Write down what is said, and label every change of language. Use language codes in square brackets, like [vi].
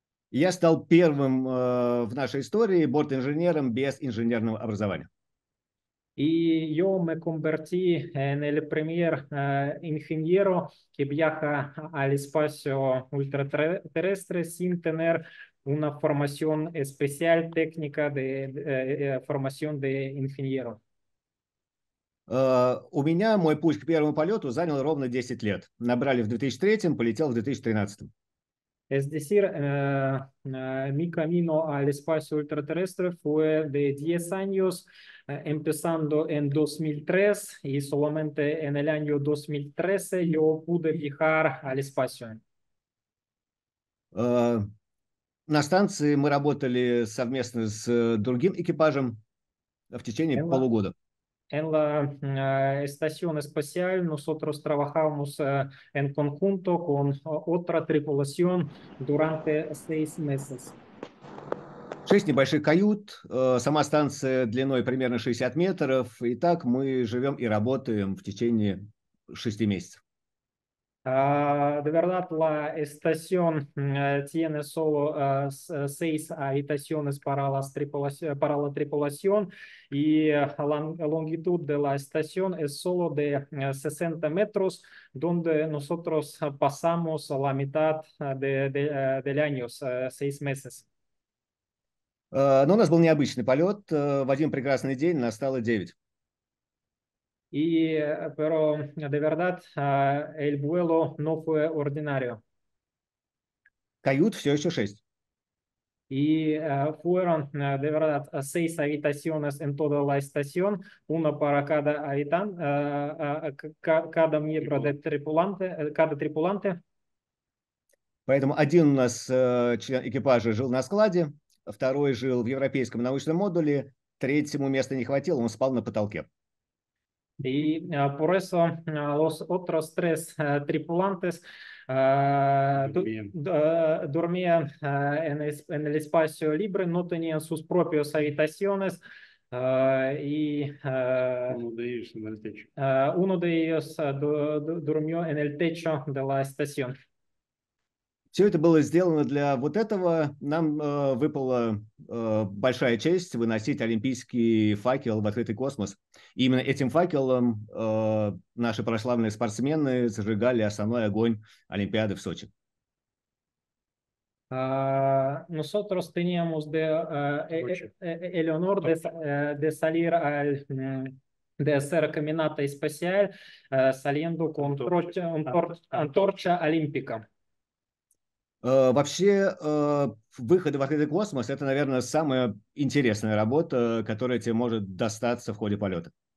[ru] Я стал первым в нашей истории бортинженером без инженерного образования. И я [es] me convertí en el primer ingeniero que viaja al espacio ultraterrestre sin tener una formación especial técnica de formación de ingeniero. [ru] У меня мой путь к первому полету занял ровно 10 лет. Набрали в 2003, полетел в 2013. [es] Es decir, mi camino al espacio ultraterrestre fue de 10 años, empezando en 2003, y solamente en el año 2013 yo pude viajar al espacio. [ru] На станции мы работали совместно с другим экипажем в течение полугода. [es] En la estación espacial nosotros trabajamos en conjunto con otra tripulación durante 6 meses. [ru] 6 небольших кают, сама станция длиной примерно 60 метров, и так мы живем и работаем в течение 6 месяцев. [es] De verdad, la estación tiene solo 6 habitaciones para la tripulación y la longitud de la estación es solo de 60 metros, donde nosotros pasamos la mitad del año, 6 meses. [ru] Но у нас был необычный полет. В один прекрасный день нас стало 9. [es] И, pero de verdad, el vuelo no fue ordinario. [ru] Кают все еще 6. [es] Y fueron de verdad 6 habitaciones en toda la estación, una para cada habitante, cada miembro de tripulante, cada tripulante. [ru] Поэтому один у нас член экипажа жил на складе, второй жил в европейском научном модуле, третьему места не хватило, он спал на потолке. [es] Y por eso los otros tres tripulantes dormían en el espacio libre, no tenían sus propias habitaciones uno de ellos durmió en el techo de la estación. [ru] Все это было сделано для вот этого. Нам выпала большая честь выносить олимпийский факел в открытый космос. И именно этим факелом наши прославленные спортсмены зажигали основной огонь Олимпиады в Сочи. [es] Nosotros teníamos de el honor de salir al de hacer caminata espacial saliendo con antorcha olímpica. [ru] Вообще, выходы в открытый космос – это, наверное, самая интересная работа, которая тебе может достаться в ходе полета.